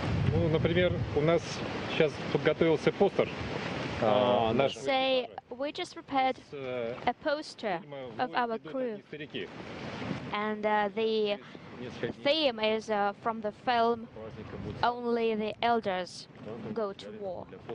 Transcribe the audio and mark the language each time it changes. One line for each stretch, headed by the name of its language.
Russian: Ну, например, у нас сейчас подготовился постер. Наш
English: say we just prepared a poster of our crew. And the theme is from the film Only the Elders Go to War.